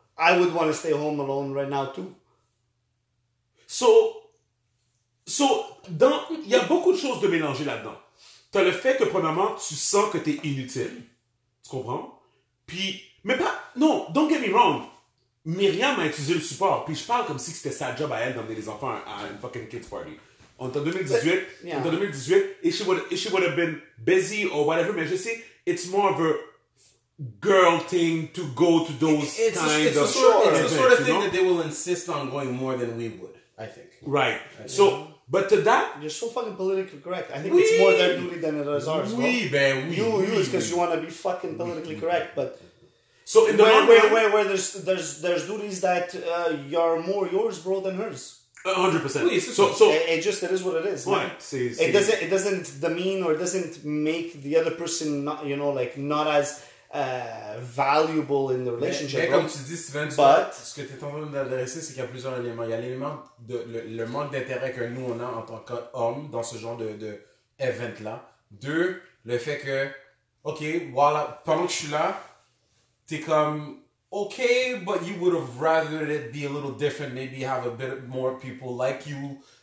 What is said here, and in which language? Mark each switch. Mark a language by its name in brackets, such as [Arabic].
[English] I would want to stay home alone right now too. [French] So, dans, il y a beaucoup de choses de mélanger là-dedans. T'as le fait que premièrement, tu sens que t'es inutile. Tu comprends? Puis, mais pas, non, [English] don't get me wrong. [French] Myriam a utilisé le support. Puis je parle comme si c'était sa job à elle d'emmener les enfants à une fucking kids party. On est en 2018. [English] Yeah. [French] En 2018. [English] Et she would have been busy or whatever. [French] Mais je sais, [English] it's more of a... girl thing to go to those kinds of sort, it's events, the sort of thing, you know? That they will insist on going more than we would, I think. Right. So, but to that... You're so fucking politically correct. I think it's more their duty than it is ours. You want to be fucking politically correct, but... So, in the long run... Where there's duties that are more yours, bro, than hers. 100%. It is what it is. Right. It doesn't demean or doesn't make the other person not, you know, like, not as... valuable in the relationship. [French] Mais comme tu dis, Steven, ce que tu es en train d'adresser, c'est qu'il y a plusieurs éléments. Il y a l'élément de le manque d'intérêt que nous on a en tant qu'homme dans ce genre de event là. Deux, le fait que, ok, voilà, pendant que je suis là, t'es comme, ok, [English] but you would have rather it be a little different, maybe have a bit more people like you.